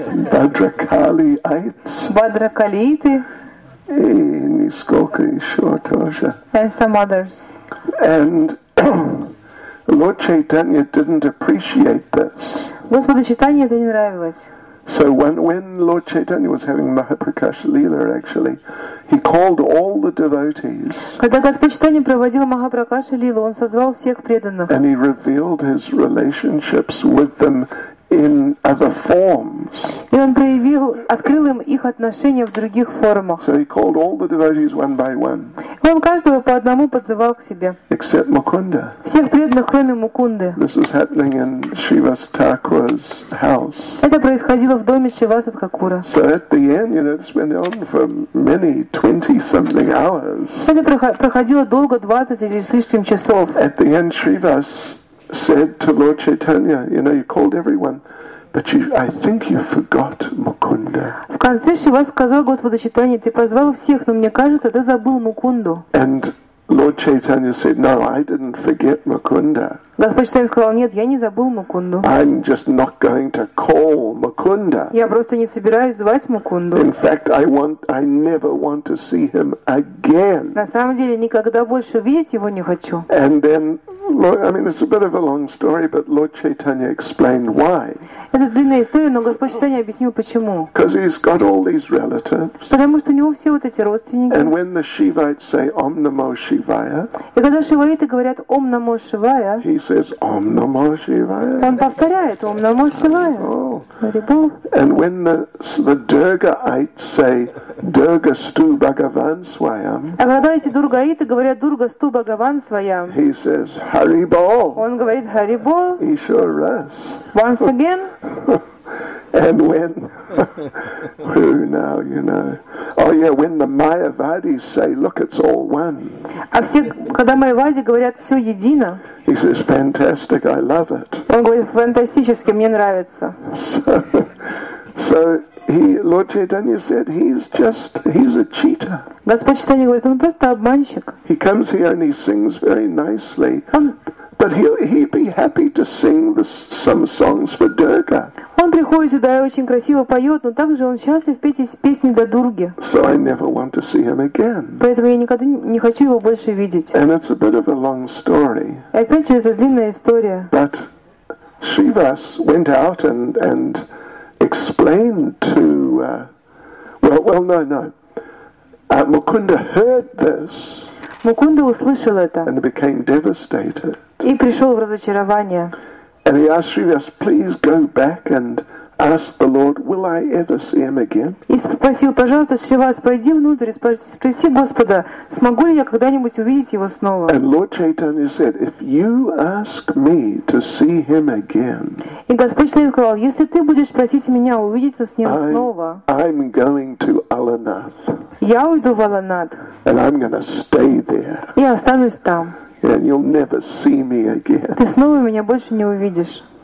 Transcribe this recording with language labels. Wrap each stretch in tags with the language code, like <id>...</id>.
<ru>Бадракалиites. Бадракалииты. И несколько еще тоже.</ru> <en>And some others. And Lord Chaitanya didn't appreciate this.</en> <ru>Господу Чайтанье это не нравилось.</ru> <en>So when Lord Chaitanya was having Mahaprakash Leela, actually, he called all the devotees.</en> <ru>Когда Господь Чайтанья проводил Махапракаша Лилу, он созвал всех преданных.</ru> <en>And he revealed his relationships with them in other forms.</en> <ru>И он проявил, открыл им их отношения в других формах.</ru> <en>So he called all the devotees one by one.</en> <ru>И он каждого по одному подзывал к себе.</ru> <en>Except Mukunda.</en> <ru>Всех преданных, кроме Мукунды.</ru> <en>This was happening in Shivas Thakura's house.</en> <ru>Это происходило в доме Шиваса Такура.</ru> <en>So at the end, you know, it's been on for many 20 something hours.</en> <ru>Это проходило долго, 20 или слишком часов.</ru> <en>At the end, Shivas said to Lord Chaitanya, you know, you called everyone, but I think you forgot Mukunda.</en> <ru>В конце Шивас сказал Господу Чайтанье, ты позвал всех, но мне кажется, ты забыл Мукунду.</ru> <en>And Lord Chaitanya said, no, I didn't forget Mukunda.</en> <ru>Господь Чайтанья сказал, нет, я не забыл Мукунду.</ru> <en>I'm just not going to call Mukunda.</en> <ru>Я просто не собираюсь звать Мукунду.</ru> <en>In fact, I never want to see him again.</en> <ru>На самом деле, никогда больше видеть его не хочу.</ru> <en>And then, I mean, it's a bit of a long story, but Lord Chaitanya explained why.</en> <ru>Это длинная история, но Господь Чайтанья объяснил почему.</ru> <en>Because he's got all these relatives.</en> <ru>Потому что у него все вот эти родственники.</ru> <en>And when the Shivites say Om Namo Shivaya.</en> <ru>И когда Шиваиты говорят Om Namo Shivaya.</ru> <en>He says Om Namo Shivaya.</en> <ru>Он повторяет Om Namo Shivaya.</ru> <en>Oh. And when the Durgaites say Durga Stu Bhagavan Swayam.</en> <ru>А когда эти Дургаиты говорят Durga Stu Bhagavan Swayam.</ru> <en>He says Haribol.</en> <ru>Он говорит Haribol.</ru> <en>He sure does. Once again. And when who now, you know. Oh yeah, when the Mayavadis say, look, it's all one.</en> <ru>А все, когда Майявади говорят, все едино.</ru> <en>He says, fantastic, I love it.</en> <ru>Он говорит, фантастически, мне нравится.</ru> <en>So Lord Chaitanya said he's a cheater.</en> <ru>Господь Чайтанья говорит, он просто обманщик.</ru> <en>He comes here and he sings very nicely. But he'd be happy to sing some songs for Durga.</en> <ru>Он приходит Джудай очень красиво поет, но также он счастлив петь из песни Дадурги.</ru> <en>So I never want to see him again.</en> <ru>Поэтому я никогда не хочу его больше видеть.</ru> <en>And it's a bit of a long story.</en> <ru>И опять же, это длинная история.</ru> <en>But Shrivas went out and explained to Mukunda heard this.</en> <ru>Mukunda услышал это.</ru> <en>And became devastated.</en> <ru>И пришел в разочарование.</ru> <en>And he asked Shrivas, please go back and ask the Lord, will I ever see him again?</en> <ru>И спросил, пожалуйста, Шривас, пойди внутрь, спроси Господа, смогу ли я когда-нибудь увидеть его снова?</ru> <en>And Lord Chaitanya said, if you ask me to see him again,</en> <ru>и Господь Чайтанья сказал, если ты будешь просить меня увидеться с ним снова,</ru> <en>I'm going to Аланат.</en> <ru>Я уйду в Аланат.</ru> <en>And I'm going to stay there.</en> <ru>И останусь там.</ru> <en>And you'll never see me again.</en> <ru>Ты снова меня больше не увидишь.</ru>